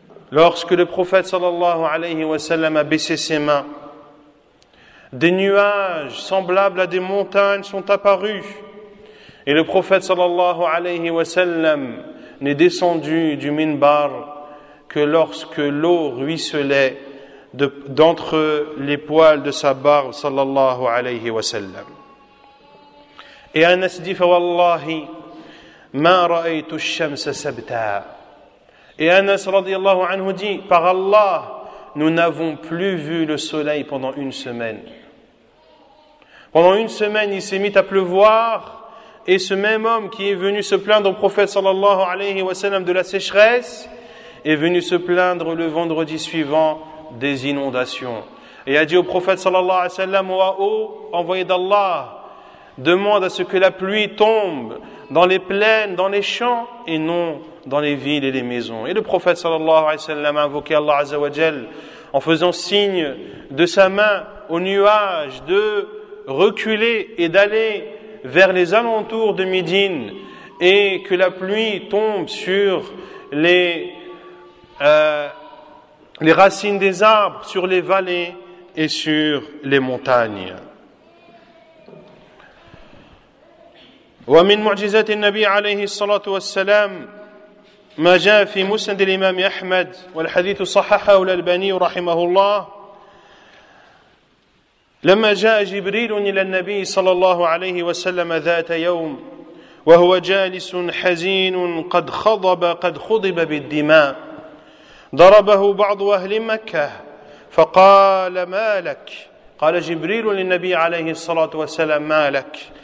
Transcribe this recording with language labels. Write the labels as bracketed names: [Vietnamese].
[French] Lorsque le prophète sallallahu alayhi wa sallam a baissé ses mains, des nuages semblables à des montagnes sont apparus. Et le prophète sallallahu alayhi wa sallam n'est descendu du minbar que lorsque l'eau ruisselait d'entre les poils de sa barbe sallallahu alayhi wa sallam. Et Anas dit: [Arabic] فوالله ما رأيت الشمس سبتا. [French] Et Anas radiallahu anhu dit: par Allah, nous n'avons plus vu le soleil pendant une semaine. Pendant une semaine, il s'est mis à pleuvoir. Et ce même homme qui est venu se plaindre au prophète sallallahu alayhi wa sallam de la sécheresse est venu se plaindre le vendredi suivant des inondations. Et a dit au prophète sallallahu alayhi wa sallam, « Ô envoyé d'Allah, demande à ce que la pluie tombe dans les plaines, dans les champs, et non dans les villes et les maisons. » Et le prophète sallallahu alayhi wa sallam a invoqué Allah azza wa jal en faisant signe de sa main aux nuages de reculer et d'aller vers les alentours de Médine, et que la pluie tombe sur les racines des arbres, sur les vallées et sur les montagnes. [Arabic] ومن معجزات النبي عليه الصلاة والسلام ما جاء في مسند الإمام أحمد والحديث صححه الألباني رحمه الله لما جاء جبريل إلى النبي صلى الله عليه وسلم ذات يوم وهو جالس حزين قد خضب بالدماء ضربه بعض أهل مكة فقال ما لك قال جبريل للنبي عليه الصلاة والسلام ما لك